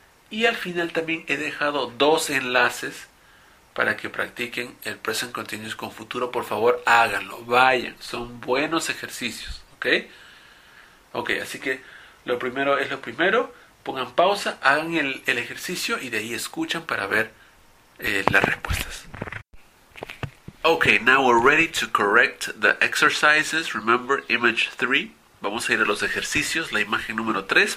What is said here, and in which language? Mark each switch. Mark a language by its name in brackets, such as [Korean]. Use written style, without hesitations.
[Spanish] Y al final también he dejado dos enlaces para que practiquen el present continuous con futuro. Por favor, háganlo, vayan, son buenos ejercicios, ¿ok? Ok, así que lo primero es lo primero. Pongan pausa, hagan el ejercicio y de ahí escuchan para ver las respuestas. [English] Ok, now we're ready to correct the exercises. Remember, image 3. [Spanish] Vamos a ir a los ejercicios, la imagen número 3.